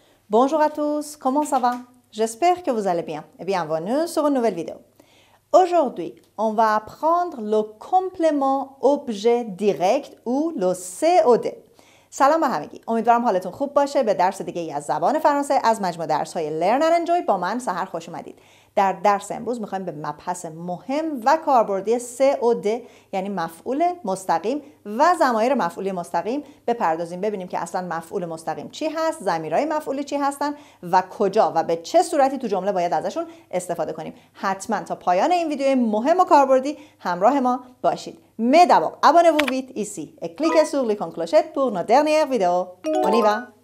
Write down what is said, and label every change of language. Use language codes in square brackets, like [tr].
[fr] Bonjour à tous, comment ça va? J'espère que vous allez bien et bienvenue sur une nouvelle vidéo. Aujourd'hui, on va apprendre le complément objet direct ou le COD. Salam à همگی. [fa] امیدوارم حالتون خوب باشه. به درس دیگه از زبان فرانسه از مجموع درس‌های Learn and Enjoy با من سحر خوش اومدید. در درس امروز می‌خوایم به مبحث مهم و کاربردی COD یعنی مفعول مستقیم و ضمایر مفعول مستقیم بپردازیم. ببینیم که اصلاً مفعول مستقیم چی هست، ضمیرهای مفعول چی هستن و کجا و به چه صورتی تو جمله باید ازشون استفاده کنیم. حتماً تا پایان این ویدیو مهم و کاربردی همراه ما باشید. [fr] Mais d'abord, abonnez-vous vite ici et cliquez sur l'icône clochette pour nos dernières vidéos. On y va!